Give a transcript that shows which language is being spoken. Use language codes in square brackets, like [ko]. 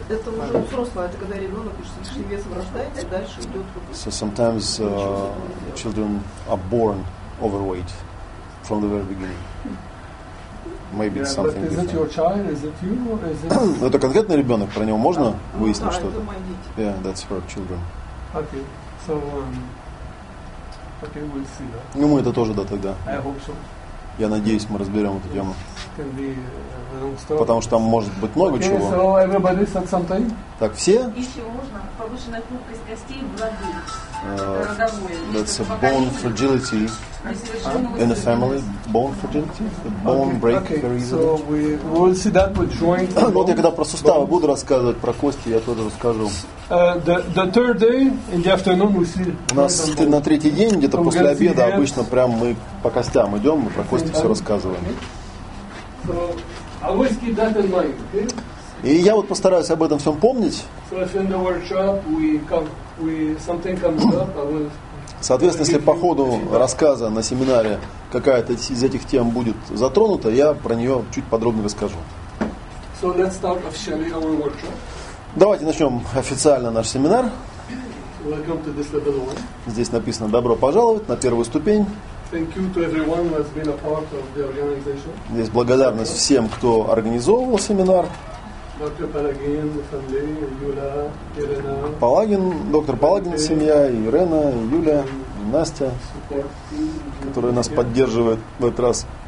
[ru] Это уже взрослое, это когда ребенок пишет, если вес вырастает, дальше идет. [en] So sometimes children are born overweight from the very beginning. Maybe yeah, something. But is different. It your child? Is it you? Or is it? [ru] Это конкретный ребенок. Про него можно выяснить да, что-то. [en] Yeah, that's her children. Okay, so okay, we'll see that. [ru] Ну мы это тоже да тогда. [en] I hope so. [ru] Я надеюсь, мы разберем эту тему. [en] Be, [ru] потому что там может быть много [en] okay, [ru] чего. [en] So everybody said something? [ru] Так, все? Еще можно повышенная крупкость костей в роду. [en] That's a bone fragility in a family. Bone fragility? The bone okay. break okay. very easily. So we'll see that with joint bones. [ru] Вот я когда про суставы [en] bones. [ru] Буду рассказывать, про кости я тоже расскажу. [en] The third day in the afternoon we see. [ru] У нас на третий день где-то [en] so [ru] после обеда обычно прям мы по костям идем, мы про кости все рассказываем. [en] So, keep that in mind, okay? [ru] И я вот постараюсь об этом всем помнить. [en] So if in the workshop something comes up, I will. [ru] Соответственно, если по ходу рассказа на семинаре какая-то из этих тем будет затронута, я про нее чуть подробнее расскажу. [en] So let's start officially our workshop. [ru] Давайте начнем официально наш семинар. [en] Welcome to this level one. [ru] Здесь написано «Добро пожаловать на первую ступень». [en] Thank you to everyone who has been a part of the organization. [ru] Здесь благодарность всем, кто организовывал семинар. Доктор Палагин, Фандей, Юля, Ирена. Доктор Палагин, семья, Ирена, Юля, Настя, которая нас поддерживает в этот раз.